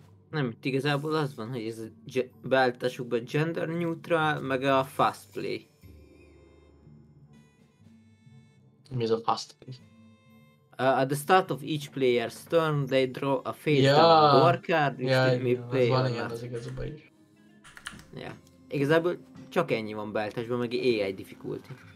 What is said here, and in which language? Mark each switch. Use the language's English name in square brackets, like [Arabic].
[Hungarian] Nem, itt igazából az van, hogy ez a beállításukban gender neutral, meg a fast play. Mi ez a fast play? [English] At the start of each player's turn, they draw a face down war card, which they may play on that. [Hungarian] Ja, igazából csak ennyi van beállításban, meg AI difficulty.